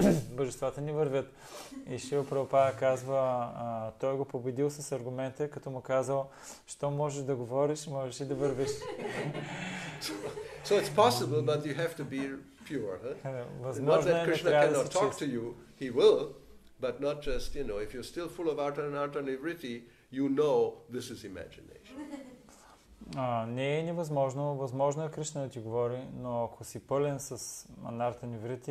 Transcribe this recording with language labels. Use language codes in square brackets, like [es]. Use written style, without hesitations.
[bg] Божествата ни вървят. И Шрила Прабхупада казва, той го победил с аргумента, като му казал, що можеш да говориш, можеш и да вървиш. [en] So it's possible, but you have to be pure. Huh? [bg] Възможно е, не трябва да си чист. [en] He will. But not just, you know, if you're still full of artha and artha nivritti, you know this is imagination. [bg] Не е невъзможно. Възможно е Кришна да ти говори, но ако си пълен с анартха нивритти...